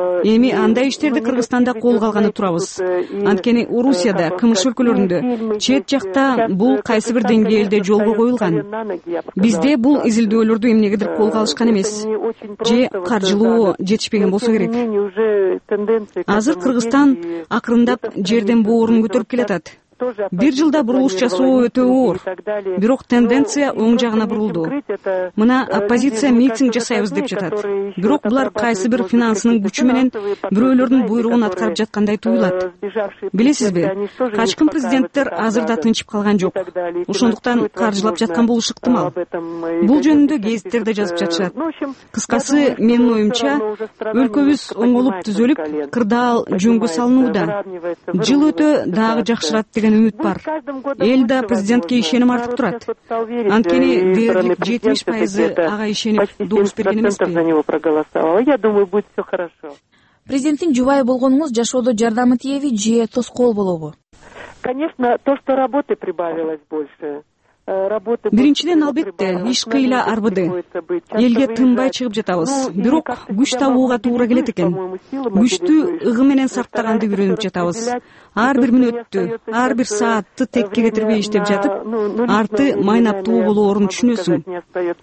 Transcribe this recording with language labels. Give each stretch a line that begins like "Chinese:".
Kyrgyz: Эми андай иштерди Кыргызстанда колго алганы турабыз. Анткени Орусияда, КМШ өлкөлөрүндө, чет жакта бул кайсы бир деңгээлде жолго коюлган. Бизде бул изилдөөлөрдү эмнегедир колго алышкан эмес. Же каржылоо жетишпеген болсо керек. Азыр Кыргызстан акырындап жерден боорун көтөрүп келатат. Бир жылда бурулуш жасоо өтө оор. Бирок тенденция оң жагына бурулду. Мына оппозиция митинг жасайбыз деп жатат. Бирок булар кайсы бир финансынын күчү менен бирөөлөрдүн буйругун аткарып жаткандай туюлат. Билесизби, качкын президенттер азыр да тынчып калган жок. Ошондуктан каржылап жаткан болушу ыктымал. Бул жөнүндө гезиттер да жазып жатышат. Кыскасы, менин оюмча, өлкөбүз оңолуп түзөлүп, кырдаал жөнгө салынууда. Жыл өтө дагы жакшырат деген үмүт бар. Эл да президентке ишеним артып турат. Анткени дээрлик 70% ага ишенип добуш берген эмеспи?
Russian: Я думаю, будет все хорошо.
Kyrgyz: Президенттин жубайы болгонуңуз жашоодо жардамы тиеби же тоскоол болобу?
Russian: Конечно, то, что работы прибавилось больше.
Kyrgyz: Биринчиден, албетте, иш кыйла арбыды. Элге тынбай чыгып жатабыз. Бирок күч табууга туура келет экен. Күчтү ыгы менен сактаганды үйрөнүп жатабыз. Ар бир мүнөттү, ар бир саатты текке кетирбей иштеп жатып, арты майнап туу болоорун түшүнөсүң.